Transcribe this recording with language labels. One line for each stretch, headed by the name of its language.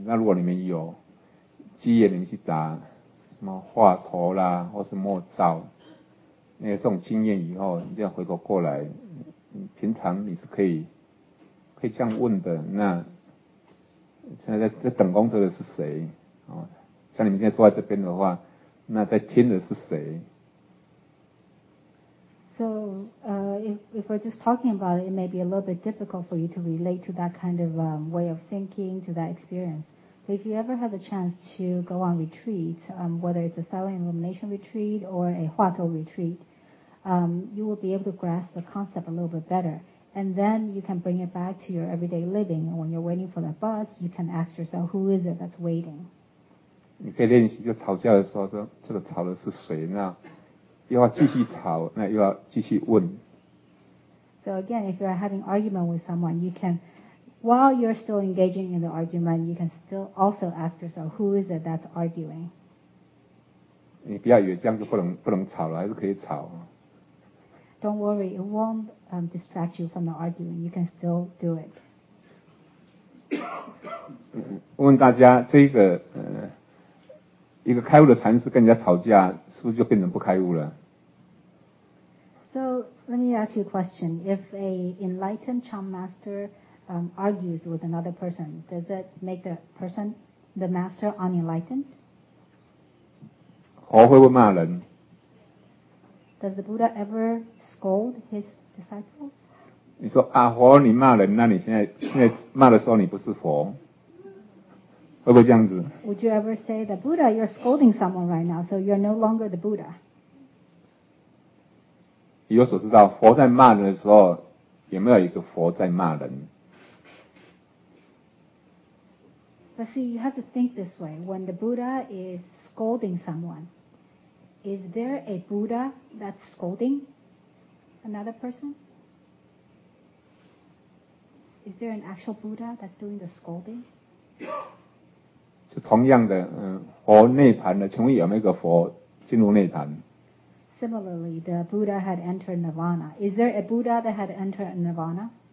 Chinese: 那如果你们有机缘，你去打什么画陀啦，或是墨照，那这种经验以后，你这样回头过来，平常你是可以这样问的。那现在在等工作的是谁？像你们现在坐在这边的话，那在听的是谁？
English: So, if we're just talking about it, it may be a little bit difficult for you to relate to that kind of way of thinking to that experience. If you ever have the chance to go on retreat, whether it's a silent illumination retreat or a Hua Tou retreat, you will be able to grasp the concept a little bit better. And then you can bring it back to your everyday living. And when you're waiting for that bus, you can ask yourself, who is it that's waiting?
Chinese: 你可以练习，就吵架的时候说，这个吵的是谁？那又要继续吵，那又要继续问。
English: So again, if you're having argument with someone, you can, while you're still engaging in the argument, you can still also ask yourself, who is it that's arguing?
Chinese: 你不要以为这样就不能吵了，还是可以吵。
English: Don't worry, it won't distract you from the arguing. You can still do it.
Chinese: 问大家这个一个开悟的禅师跟人家吵架，是不是就变成不开悟了？
English: So let me ask you a question. If a enlightened Chan master argues with another person, does it make the person, the master, unenlightened?
Chinese: 佛会不会骂人？
English: Does the Buddha ever scold his disciples?
Chinese: 你说啊，佛你骂人，那你现在骂的时候你不是佛。会不会这样子？
English: Would you ever say that Buddha, you're scolding someone right now, so you're no longer the Buddha?
Chinese: 你有所知道，佛在骂人的时候，有没有一个佛在骂人？
English: But see, you have to think this way. When the Buddha is scolding someone, is there a Buddha that's scolding another person? Is there an actual Buddha that's doing the scolding?
Chinese: 就同样的，佛涅槃的，请问有没有一个佛进入涅槃？
English: Similarly, the Buddha had entered Nirvana. Is there a Buddha that had entered Nirvana?